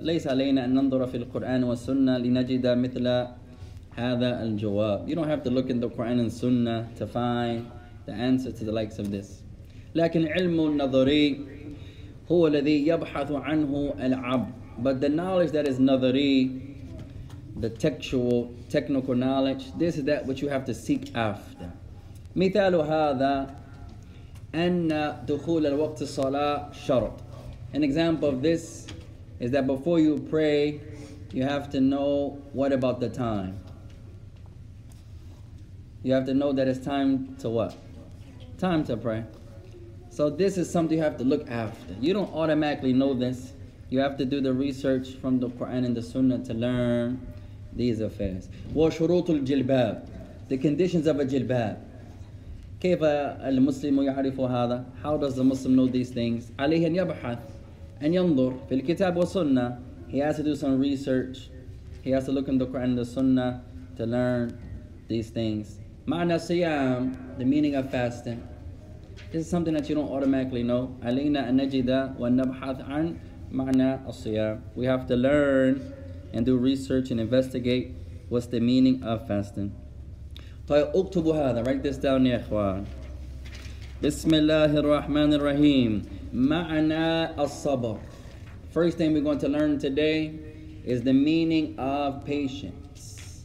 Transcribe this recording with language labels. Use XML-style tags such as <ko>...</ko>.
<ar>ليس علينا أن ننظر في القرآن والسنة لنجد مثل هذا الجواب.</ar> <en>You don't have to look in the Quran and Sunnah to find the answer to the likes of this.</en> <ar>لكن علم النظري هو الذي يبحث عنه العبد.</ar> <en>But the knowledge that is نظري, the technical knowledge, this is that which you have to seek after.</en> <ar>مثال هذا أن دخول الوقت الصلاة شرط.</ar> <en>An example of this is that before you pray, you have to know what about the time. You have to know that it's time to what? Time to pray. So this is something you have to look after. You don't automatically know this. You have to do the research from the Quran and the Sunnah to learn these affairs.</en> <ar>وشروط الجلباب,</ar> <en>the conditions of a jilbab.</en> <ar>كيف المسلم يعرف هذا?</ar> <en>How does the Muslim know these things?</en> <ar>عليه أن يبحث أن ينظر في الكتاب والسنة.</ar> <en>He has to do some research. He has to look in the Quran and the Sunnah to learn these things.</en> <ar>معنى صيام,</ar> <en>the meaning of fasting. This is something that you don't automatically know.</en> <ar>علينا أن نجد ونبحث عن معنى الصيام.</ar> <en>We have to learn and do research and investigate what's the meaning of fasting.</en> <ar>طيب أكتب هذا.</ar> <en>Write this down</en> <ar>يا إخوان. بسم الله الرحمن الرحيم. معنى الصبر.</ar> <en>First thing we're going to learn today is the meaning of patience.</en>